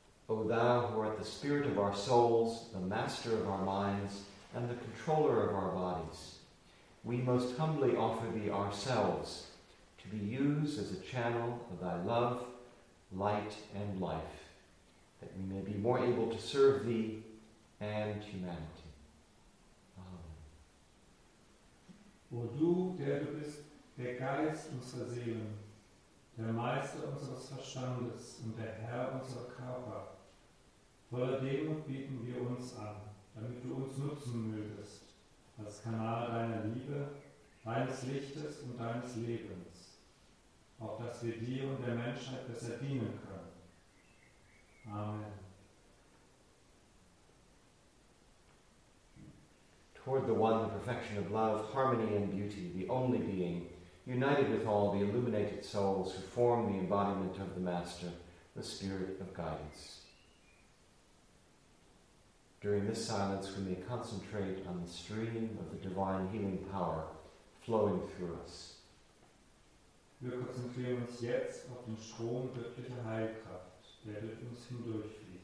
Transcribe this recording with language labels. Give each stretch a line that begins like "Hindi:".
English: O Thou, who art the spirit of our souls, the master of our minds, and the controller of our bodies, we most humbly offer Thee ourselves to be used as a channel of Thy love, light, and life, that we may be more able to serve Thee and humanity. Amen.
German: O Du, der Du bist, der Geist unserer Seelen, der Meister unseres Verstandes und der Herr unserer Körper, voller Demut bieten wir uns an, damit du uns nutzen mögest, als Kanal deiner Liebe, deines Lichtes und deines Lebens, auch dass wir dir und der Menschheit besser dienen können. Amen.
English: Toward the one, the perfection of love, harmony and beauty, the only being, united with all the illuminated souls who form the embodiment of the Master, the Spirit of Guidance. During this silence, we may concentrate on the stream of the divine healing power flowing through us.
German: Wir konzentrieren uns jetzt auf den Strom göttlicher Heilkraft, der durch uns hindurchfließt.